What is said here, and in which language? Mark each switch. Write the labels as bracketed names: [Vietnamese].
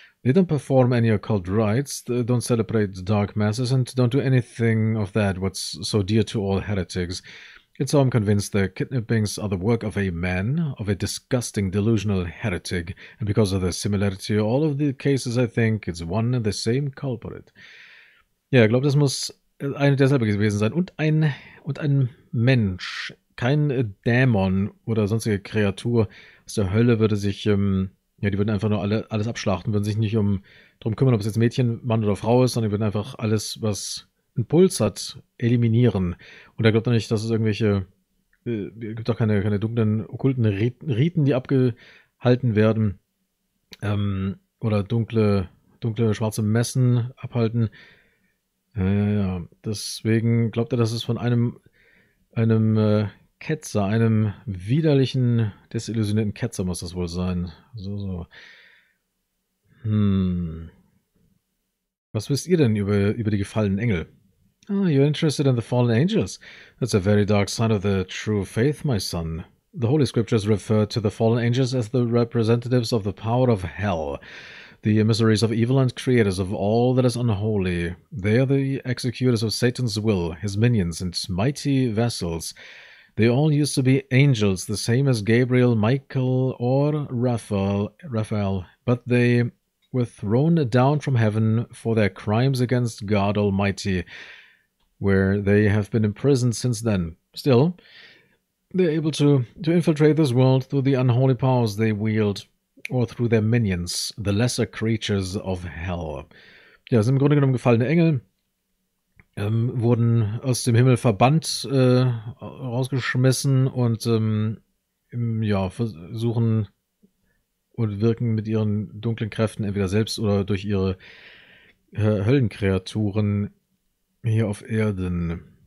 [English] They don't perform any occult rites, they don't celebrate dark masses, and don't do anything of that what's so dear to all heretics. And so I'm convinced the kidnappings are the work of a man, of a disgusting, delusional heretic. And because of the similarity of all of the cases, I think it's one and the same culprit. [German] Ja, ich glaube, das muss einer derselbe gewesen sein. Und ein Mensch, Kein Dämon oder sonstige Kreatur aus der Hölle würde sich, ja, die würden einfach nur alles abschlachten, würden sich nicht darum kümmern, ob es jetzt Mädchen, Mann oder Frau ist, sondern die würden einfach alles, was einen Puls hat, eliminieren. Und da glaubt er nicht, dass es irgendwelche, gibt auch keine dunklen, okkulten Riten, die abgehalten werden, oder dunkle, schwarze Messen abhalten. Ja, deswegen glaubt er, dass es von einem Ketzer, einem widerlichen, desillusionierten Ketzer muss das wohl sein. So. Was wisst ihr denn über die gefallenen Engel? [English] Ah, oh, you're interested in the fallen angels? That's a very dark sign of the true faith, my son. The Holy Scriptures refer to the fallen angels as the representatives of the power of hell, the emissaries of evil and creators of all that is unholy. They are the executors of Satan's will, his minions, and mighty vessels. They all used to be angels, the same as Gabriel, Michael, or Raphael, but they were thrown down from heaven for their crimes against God Almighty, where they have been imprisoned since then. Still, they're able to infiltrate this world through the unholy powers they wield, or through their minions, the lesser creatures of hell. [German] Ja, sind im Grunde genommen gefallene Engel, wurden aus dem Himmel verbannt, rausgeschmissen und ja, versuchen und wirken mit ihren dunklen Kräften entweder selbst oder durch ihre Höllenkreaturen hier auf Erden.